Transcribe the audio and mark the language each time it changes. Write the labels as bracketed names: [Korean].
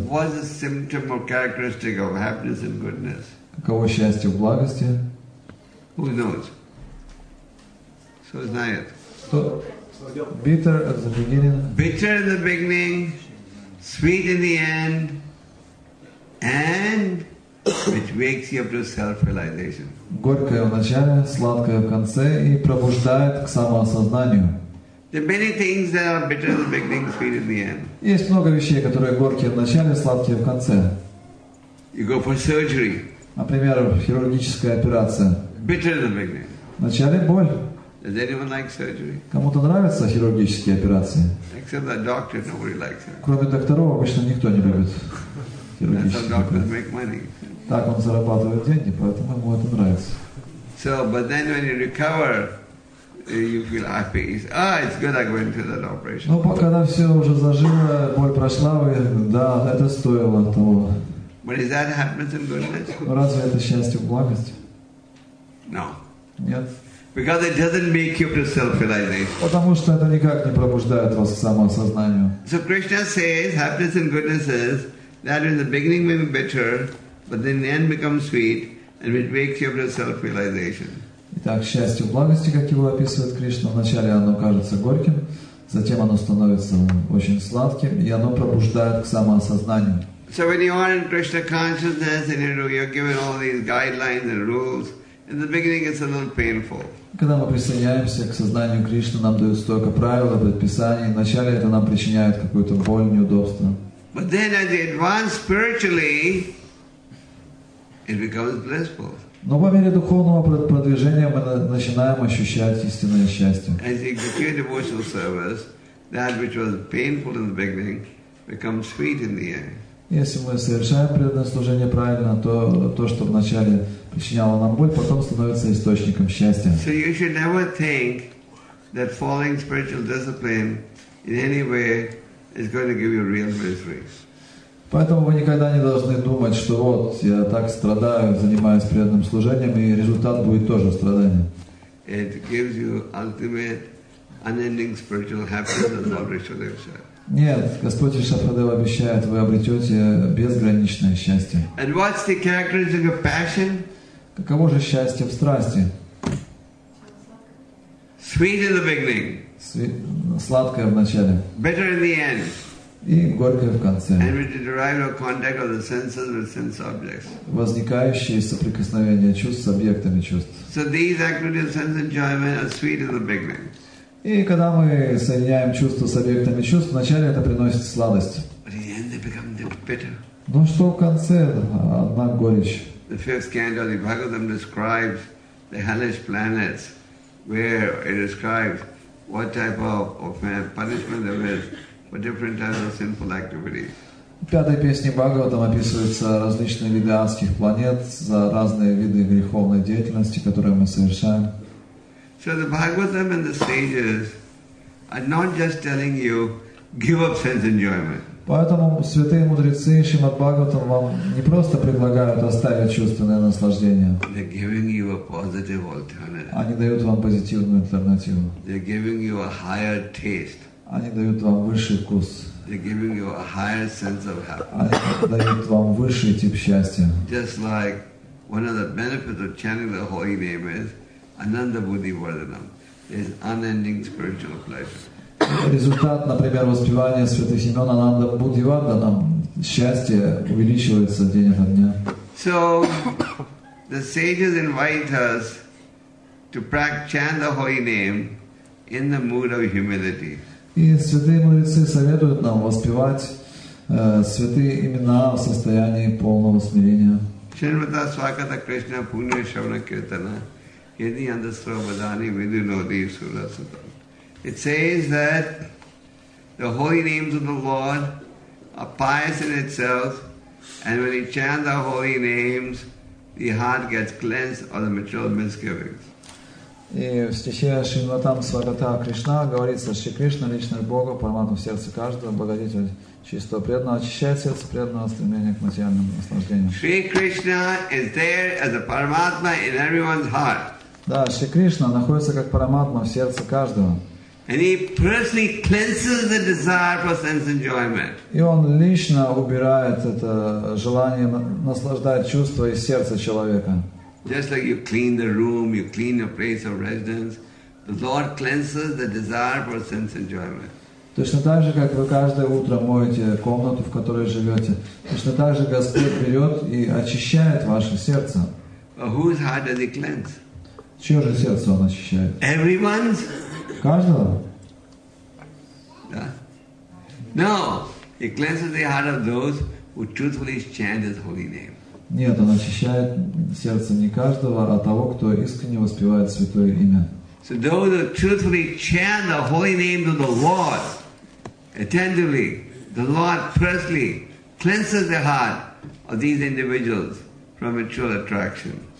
[English] What's the symptom or characteristic of happiness and goodness? [Russian] Каково счастье в благости? [English] Who knows? So it's not yet. So, bitter at the beginning. Bitter in the beginning, sweet in the end, and which wakes you up to self-realization. [Russian] Горькое в начале, сладкое в конце и пробуждает к самоосознанию. [English] There are many things that are bitter in the beginning, sweet in the end. [Russian] Есть много вещей, которые горькие в начале, сладкие в конце. [English] You go for surgery. [Russian] Например, хирургическая операция. [English] Bitter in the beginning. [Russian] Вначале боль. [English] Does anyone like surgery? [Russian] Кому-то нравятся хирургические операции? [English] Except that doctor, nobody likes it. [Russian] Кроме докторов обычно никто не любит хирургические. Так он зарабатывает деньги, поэтому ему это нравится. [English] So, but then when you recover, you feel happy. It's good I went to that operation. [Russian] Ну, когда все уже зажило, боль прошла, вы, да, это стоило того. [English] But is that happiness and goodness? [Russian] Разве это счастье в благости? [English] No. [Russian] Нет. [English] Because it doesn't make you to self-realization. [Russian] Потому что это никак не пробуждает вас к самоосознанию. [English] So Krishna says, happiness and goodness is that in the beginning may be bitter, but then in the end becomes sweet, and it makes you to self-realization. [Russian] Итак, счастье в благости, как его описывает Кришна, вначале оно кажется горьким, затем оно становится очень сладким, и оно пробуждает к самоосознанию. [English] So when you are in Krishna consciousness and you're given all these guidelines and rules, in the beginning it's a little painful. [Russian] Когда мы присоединяемся к сознанию Кришны, нам дают столько правил, предписаний, вначале это нам причиняет какую-то боль, неудобство. [English] But then as you advance spiritually, it becomes blissful. [Russian] Но по мере духовного продвижения мы начинаем ощущать истинное счастье. [English] As you execute devotional service, that which was painful in the beginning becomes sweet in the end. [Russian] Если мы совершаем преданное служение правильно, то, что вначале причиняло нам боль, потом становится источником счастья. [English] So you should never think that following spiritual discipline in any way is going to give you real misery. [Russian] Поэтому вы никогда не должны думать, что вот я так страдаю, занимаюсь преданным служением, и результат будет тоже страдание. [English] It gives you ultimate, unending spiritual happiness as Lord Rishabhadev said. [Russian] Нет, Господь Ришабхадев обещает, вы обретете безграничное счастье. [English] And what's the characteristic of passion? [Russian] Каково же счастье в страсти? [English] Sweet in the beginning. [Russian] Сладкое в начале. [English] Bitter in the end. [Russian] и горькое в конце. [English] And with the derived contact of the senses with sense objects. [Russian] Возникающие соприкосновения чувств с объектами чувств. [English] So these activities of sense enjoyment are sweet in the beginning. [Russian] И когда мы соединяем чувства с объектами чувств, вначале это приносит сладость. [English] But in the end they become bitter. [Russian] Но что в конце? Одна горечь. [English] The first canto of the Bhagavatam describes the hellish planets, where it describes what type of punishment there is for different types of sinful activities. [Russian] В пятой песне Бхагаватам описываются различные виды адских планет за разные виды греховной деятельности, которые мы совершаем. [English] So the Bhagavatam and the sages are not just telling you, give up sense enjoyment. [Russian] Поэтому святые мудрецы Шримад Бхагаватам вам не просто предлагают оставить чувственное наслаждение. [English] They're giving you a positive alternative. [Russian] Они дают вам позитивную альтернативу. [English] They're giving you a higher taste. [Russian] Они дают вам высший вкус. [English] They're giving you a higher sense of happiness. [Russian] Они дают вам высший тип счастья. [English] Just like one of the benefits of chanting the holy name is [Sanskrit] Ananda Buddhi Vardhanam, [English] is unending spiritual pleasure. [Russian] Результат, например, воспевания святых имен [Sanskrit] Ананда Будди Варданам, [Russian] счастье увеличивается день ото дня. [English] So, the sages invite us to chant the holy name in the mood of humility. [Russian] И святые мудрецы советуют нам воспевать святые имена в состоянии полного смирения. [Sanskrit] Шримата Свагата Кришна Пуня Шавна Киртана Хирни Андастра Бадани Видуноди Сура Сутам. [English] It says that the holy names of the Lord are pious in itself, and when you chant the holy names, the heart gets cleansed of the material misgivings. [Russian] И в стихе Шриматам Свагата Кришна говорится, что Кришна, личность Бога, парамат в сердце каждого, благодетель чистого преданного, очищает сердце преданного стремления к материальным наслаждениям. [English] Shri Krishna is there as a Paramatma in everyone's heart. [Russian] Да, Шри Кришна находится как Параматма в сердце каждого. [English] And he personally cleanses the desire for sense enjoyment. [Russian] И он лично убирает это желание наслаждать чувства из сердца человека. [English] Just like you clean the room, you clean your place of residence, the Lord cleanses the desire for sense enjoyment. [Russian] Точно так же, как вы каждое утро моете комнату, в которой живете, точно так же Господь берет и очищает ваше сердце. [English] But whose heart does he cleanse? [Russian] Чье же сердце он очищает? [English] Everyone's. [Russian] Каждого? Да. [English] No, he cleanses the heart of those who truthfully chant his holy name. [Russian] Нет, он очищает сердце не каждого, а того, кто искренне воспевает святое имя. [English] So those who truthfully chant the holy name of the Lord attentively, the Lord personally cleanses the heart of these individuals from material attraction.